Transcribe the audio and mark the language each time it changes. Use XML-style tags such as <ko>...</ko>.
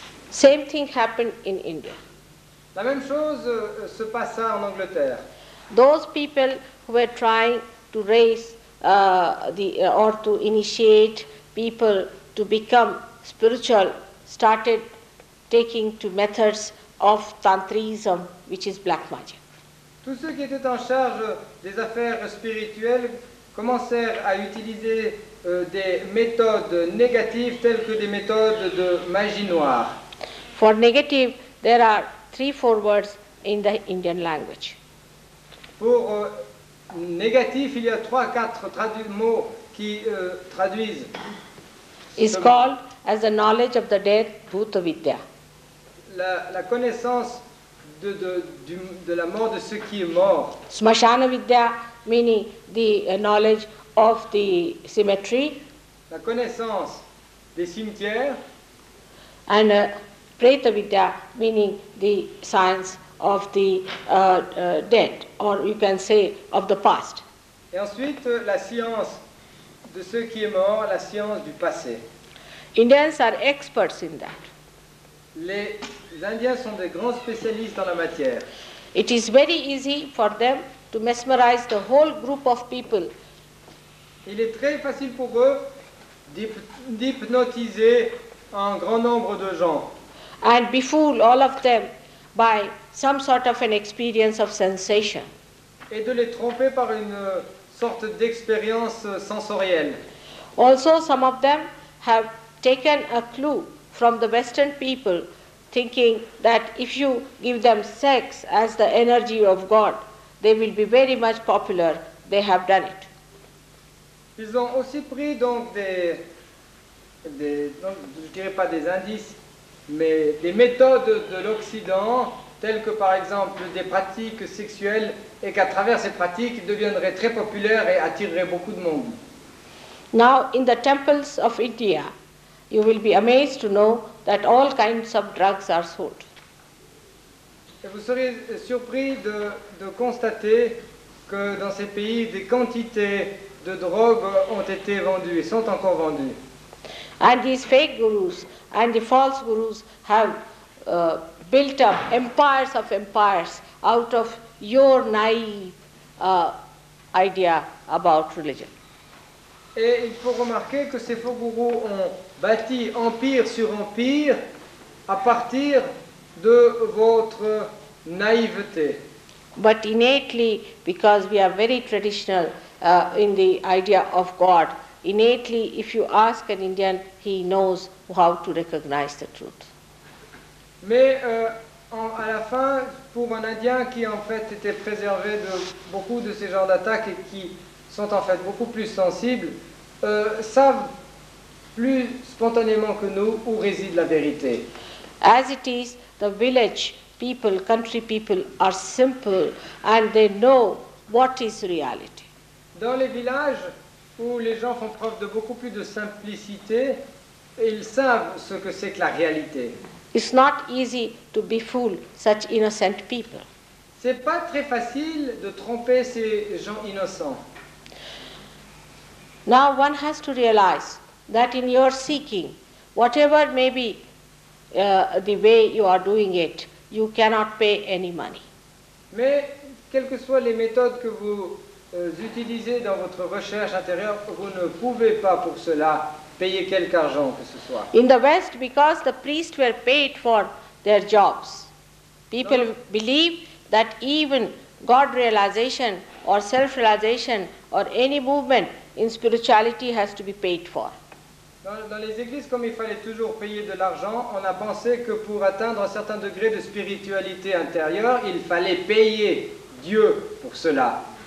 <en>Same thing happened in India.</en> <fr>La même chose se passa en Angleterre.</fr> <en>Those people who were trying to raise or to initiate people to become spiritual started taking to methods of tantrism, which is black magic.</en> <fr>Tous ceux qui étaient en charge des affaires spirituelles commencèrent à utiliser des méthodes négatives telles que des méthodes de magie noire.</fr> <en>For negative, there are 3-4 words in the Indian language.</en> <fr>Pour négatif, il y a 3-4 mots qui traduisent.</fr> <en>It's called as the knowledge of the dead, Bhutavidya.</en> <fr>La connaissance de la mort de ce qui est mort.</fr> <en>Smashana Vidya, meaning the knowledge of the cemetery.</en> <fr>La connaissance des cimetières.</fr> <en>And Preta Vidya, meaning the science of the dead, or you can say of the past.</en> <fr>Et ensuite, la science de ce qui est mort, la science du passé.</fr> <en>Indians are experts in that.</en> <fr>Les Indiens sont des grands spécialistes dans la matière.</fr> <en>It is very easy for them to mesmerize the whole group of people.</en> <fr>Il est très facile pour eux d'hypnotiser un grand nombre de gens.</fr> <en>And befool all of them by some sort of an experience of sensation.</en> <fr>Et de les tromper par une sorte d'expérience sensorielle.</fr> <en>Also, some of them have taken a clue from the Western people, thinking that if you give them sex as the energy of God, they will be very much popular. They have done it.</en> <fr>Ils ont aussi pris donc des je dirais pas des indices, mais des méthodes de l'Occident, telles que par exemple des pratiques sexuelles, et qu'à travers ces pratiques, ils deviendraient très populaires et attireraient beaucoup de monde.</fr> <en>Now, in the temples of India, you will be amazed to know that all kinds of drugs are sold.</en> <fr>Et vous serez surpris de constater que dans ces pays, des quantités de drogues ont été vendues et sont encore vendues.</fr> <en>And these fake gurus and the false gurus have built up empires of empires out of your naive idea about religion.</en> <fr>Et il faut remarquer que ces faux gourous ont bâti empire sur empire à partir de votre naïveté.</fr> <en>But innately, because we are very traditional in the idea of God, innately, if you ask an Indian, he knows how to recognize the truth.</en> <fr>Mais à la fin, pour un Indien qui en fait était préservé de beaucoup de ces genres d'attaques et qui sont en fait beaucoup plus sensibles, savent plus spontanément que nous où réside la vérité.</fr> <en>As it is, the village people, country people are simple and they know what is reality.</en> <fr>Dans les villages où les gens font preuve de beaucoup plus de simplicité, ils savent ce que c'est que la réalité.</fr> <en>It's not easy to befool such innocent people.</en> <fr>C'est pas très facile de tromper ces gens innocents.</fr> <en>Now one has to realize that in your seeking, whatever may be the way you are doing it, you cannot pay any money.</en> <fr>Mais quelles que soient les méthodes que vous utilisez dans votre recherche intérieure, vous ne pouvez pas pour cela payer quelque argent que ce soit.</fr> <en>In the West, because the priests were paid for their jobs, people believe that even God realization or self-realization or any movement in spirituality has to be paid for.</en> <fr>Dans les églises, comme il fallait toujours payer de l'argent, on a pensé que pour atteindre un certain degré de spiritualité intérieure, il fallait payer Dieu pour cela.</fr>